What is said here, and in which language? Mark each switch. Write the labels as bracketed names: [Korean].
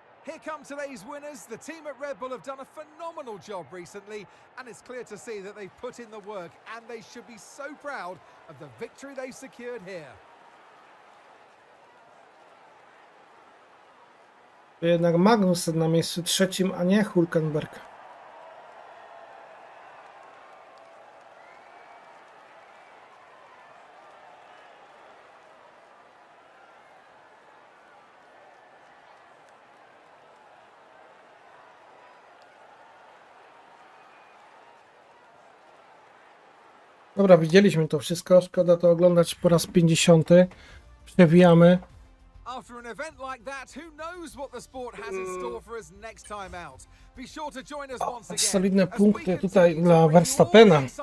[English] Here come today's winners. The team at Red Bull have done a phenomenal job recently, and it's clear to see that they've put in the work, and they should be so proud of the victory they've secured here. [Polish] Jednak Magnussen na miejscu trzecim, a nie Hulkenberg. Dobra, widzieliśmy to wszystko. Szkoda to oglądać po raz 50. Przewijamy. [English] After an event like that, who knows what the sport has in store for us next time out. Be sure to join us once again. [Polish] Solidne punkty tutaj dla Verstappena.